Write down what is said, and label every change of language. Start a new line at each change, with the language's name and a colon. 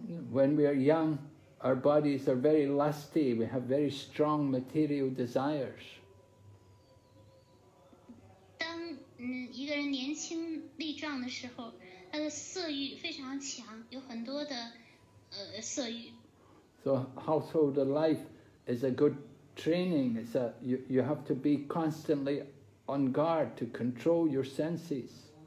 English: when we are young, our bodies are very lusty, we have very strong material desires.
Chinese: 当一个人年轻力壮的时候，他的色欲非常强，有很多的色欲。
English: So household life is a good training. It's a you have to be constantly on guard to control your senses.